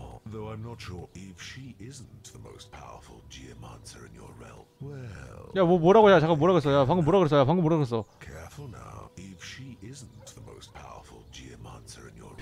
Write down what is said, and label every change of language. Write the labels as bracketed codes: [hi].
[en] Though I'm not sure if she isn't the most powerful geomancer in your realm. Well. [ko] 야 뭐 뭐라고 야 잠깐 뭐라 그랬어 야 방금 뭐라 그랬어 야 방금 뭐라 그랬어. [en] Careful now. If she isn't the most powerful geomancer in your realm.